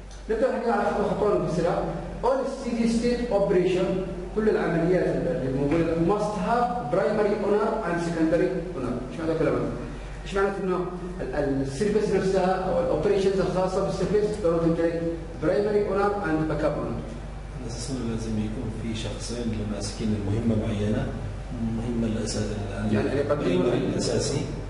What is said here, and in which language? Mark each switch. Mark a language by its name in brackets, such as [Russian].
[Arabic] نبدأ حكي على خطوات بسرعة. [English] All steady state operation، [Arabic] كل العمليات اللي موجودة [English] must have primary owner and secondary owner. [Arabic] إيش معنى كلامنا؟ إيش معنى إنه السيرفيس نفسها أو الأوبريشنز الخاصة بالسيرفيس ضروري تمتلك [English] primary owner and backup owner. [Arabic] أساساً لازم يكون في شخصين ماسكين المهمة معينة، المهمة الأساسية. يعني قديم الأساسي.